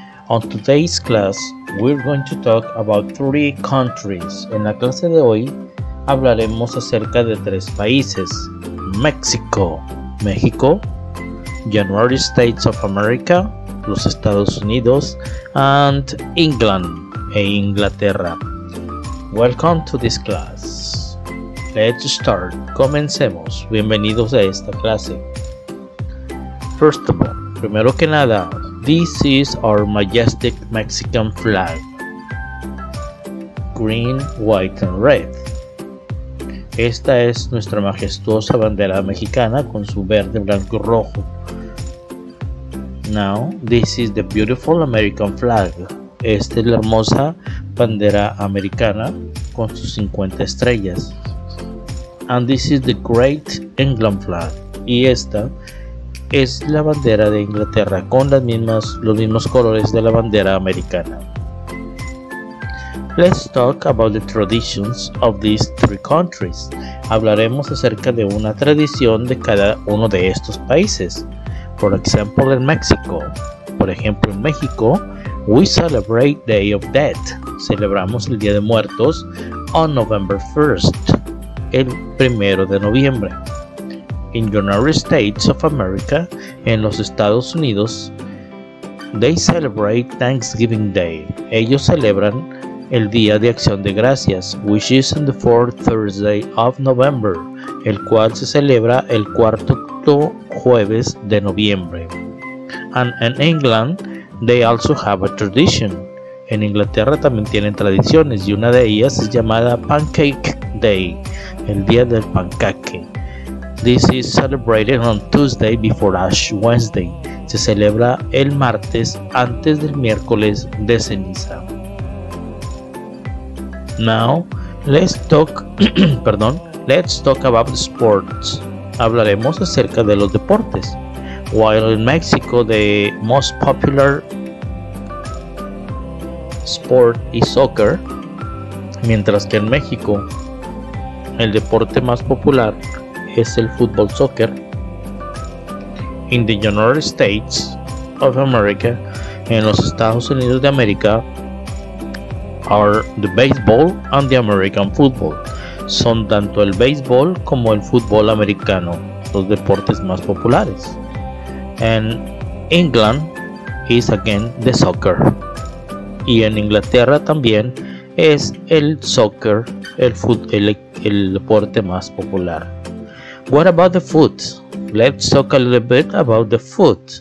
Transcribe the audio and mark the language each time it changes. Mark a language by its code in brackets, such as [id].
[en] On today's class, we're going to talk about 3 countries. [es] En la clase de hoy, hablaremos acerca de 3 países. [en] Mexico, México, United States of America, [es] los Estados Unidos, [en] and England, [es] e Inglaterra. [en] Welcome to this class. Let's start. [es] Comencemos. Bienvenidos a esta clase. [en] First of all, [es] primero que nada, [en] this is our majestic Mexican flag. Green, white and red. [es] Esta es nuestra majestuosa bandera mexicana con su verde, blanco y rojo. [en] Now, this is the beautiful American flag. [es] Esta es la hermosa bandera americana con sus 50 estrellas. [en] And this is the great England flag. [es] Y esta es la bandera de Inglaterra con los mismos colores de la bandera americana. [en] Let's talk about the traditions of these 3 countries. [es] Hablaremos acerca de una tradición de cada uno de estos países. [en] For example, in Mexico. [es] Por ejemplo, en México, [en] we celebrate Day of Dead. [es] Celebramos el Día de Muertos [en] on November 1st, [es] el 1 de noviembre. [en] In United States of America, [es] en los Estados Unidos, [en] they celebrate Thanksgiving Day. [es] Ellos celebran el Día de Acción de Gracias, [en] which is on the 4th Thursday of November, [es] el cual se celebra el 4º jueves de noviembre. [en] And in England, they also have a tradition. [es] En Inglaterra también tienen tradiciones, y una de ellas es llamada Pancake Day, el Día del Pancake. [en] This is celebrated on Tuesday before Ash Wednesday. [es] Se celebra el martes antes del miércoles de ceniza. [en] Now, let's talk about sports. [es] Hablaremos acerca de los deportes. [en] While in Mexico, the most popular sport is soccer. [es] Mientras que en México, el deporte más popular es el fútbol soccer. [en] In the United States of America, [es] en los Estados Unidos de América, [en] are the baseball and the American football. [es] Son tanto el béisbol como el fútbol americano los deportes más populares. [en] And England is again the soccer. [es] Y en Inglaterra también es el soccer el deporte más popular. [en] What about the food? Let's talk a little bit about the food.